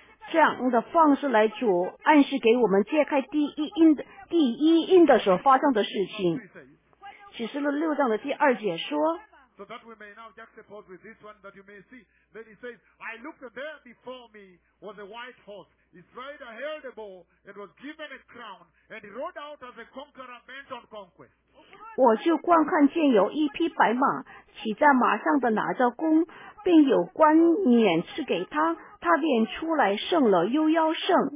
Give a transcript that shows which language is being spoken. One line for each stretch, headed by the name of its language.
Chinese: 这样的方式来主暗示给我们揭开第一印的时候发生的事情。启示录六章的第二节说，
English: so that we may now juxtapose with this one that you may see. Then he says, I looked and there before me was a white horse. His rider held a bow and was given a crown and he rode out as a conqueror bent on conquest.
Chinese: 我就观看见有一匹白马，骑在马上的拿着弓，并有冠冕赐给他，他便出来胜了又要胜。